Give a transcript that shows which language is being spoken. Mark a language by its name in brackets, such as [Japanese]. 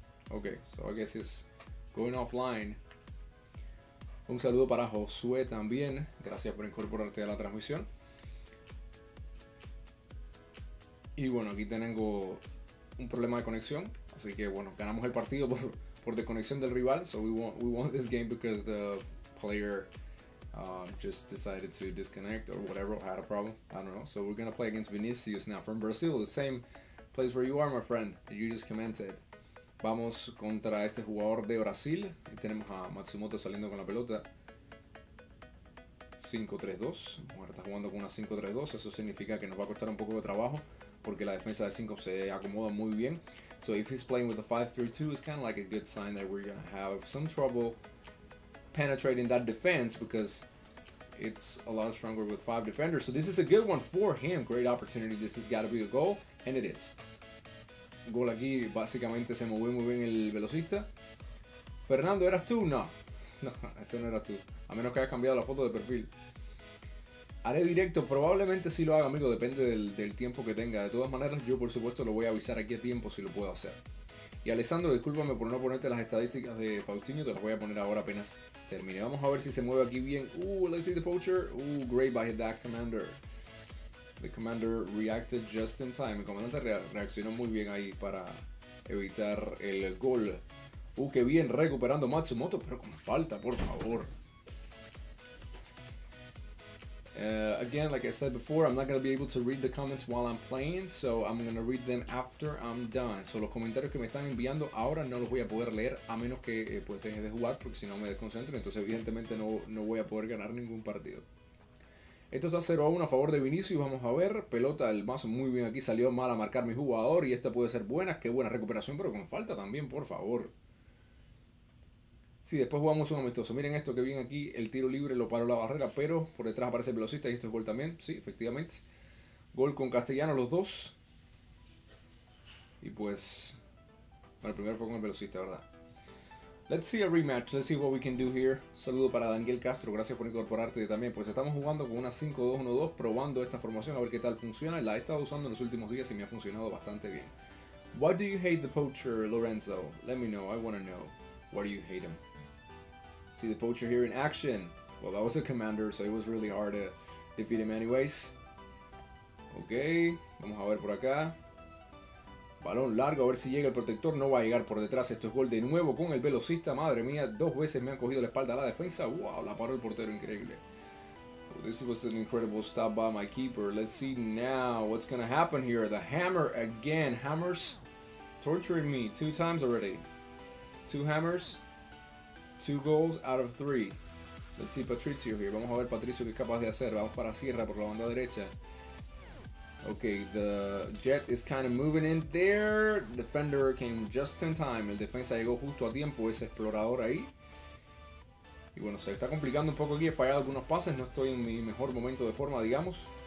[English] Okay, so I guess he's going offline. [Spanish] Un saludo para Josué también. Gracias por incorporarte a la transmisión. Y bueno, aquí tengo un problema de conexión, así que bueno, ganamos el partido por desconexión del rival. [English] So we won this game because the player just decided to disconnect or whatever, had a problem, I don't know. So we're gonna play against Vinicius now from Brazil, the same place where you are, my friend, you just commented. [Spanish] Vamos contra este jugador de Brasil, y tenemos a Matsumoto saliendo con la pelota. 5-3-2, bueno, está jugando con una 5-3-2, eso significa que nos va a costar un poco de trabajo, porque la defensa de 5 se acomoda muy bien. [English] So if he's playing with a 5-3-2, it's kind of like a good sign that we're gonna have some trouble penetrating that defense, because it's a lot stronger with 5 defenders. So this is a good one for him, great opportunity, this has got to be a goal, and it is. [Spanish] Gol aquí, básicamente se movió muy bien el velocista. Fernando, ¿eras tú? No. No, ese no eras tú. A menos que hayas cambiado la foto de perfil. Haré directo, probablemente sí lo haga, amigo, depende del tiempo que tenga. De todas maneras, yo por supuesto lo voy a avisar aquí a tiempo si lo puedo hacer. Y Alessandro, discúlpame por no ponerte las estadísticas de Faustinho, te las voy a poner ahora apenas termine. Vamos a ver si se mueve aquí bien. [English] Let's see the poacher. Great by that commander. The commander reacted just in time. [Spanish] El comandante reaccionó muy bien ahí para evitar el gol. Qué bien, recuperando Matsumoto, pero con falta, por favor. [English] Again, like I said before, I'm not going to be able to read the comments while I'm playing, so I'm going to read them after I'm done. [Spanish] So los comentarios que me están enviando ahora no los voy a poder leer a menos que pues deje de jugar, porque si no me desconcentro, entonces evidentemente no voy a poder ganar ningún partido. Esto está 0-1 a favor de Vinicius, vamos a ver. Pelota, el mazo muy bien aquí, salió mal a marcar mi jugador y esta puede ser buena. Qué buena recuperación, pero con falta también, por favor. Sí, después jugamos un amistoso. Miren esto que viene aquí. El tiro libre lo paró la barrera, pero por detrás aparece el velocista y esto es gol también. Sí, efectivamente. Gol con Castellano los dos. Y pues, bueno, el primero fue con el velocista, ¿verdad? [English] Let's see a rematch. Let's see what we can do here. [Spanish] Saludo para Daniel Castro. Gracias por incorporarte también. Pues estamos jugando con una 5-2-1-2, probando esta formación a ver qué tal funciona. La he estado usando en los últimos días y me ha funcionado bastante bien. [English] What do you hate the poacher, Lorenzo? Let me know. I want to know. Why do you hate him? See the poacher here in action. Well, that was a commander, so it was really hard to defeat him anyways. [Spanish] Okay, vamos a ver por acá. Balón largo, a ver si llega el protector. No va a llegar por detrás. Esto es gol de nuevo con el velocista. Madre mía, dos veces me han cogido la espalda a la defensa. Wow, la paró el portero, increíble. [English] Well, this was an incredible stop by my keeper. Let's see now what's gonna happen here. The hammer again. Hammers torturing me 2 times already. 2 hammers, 2 goals out of 3. Let's see Patricio here. [Spanish] Vamos a ver Patricio qué es capaz de hacer. Vamos para Sierra por la banda derecha. [English] Okay, the jet is kind of moving in there. Defender came just in time. [Spanish] El defensa llegó justo a tiempo, ese explorador ahí. Y bueno, se está complicando un poco aquí. He fallado algunos pases. No estoy en mi mejor momento de forma, digamos.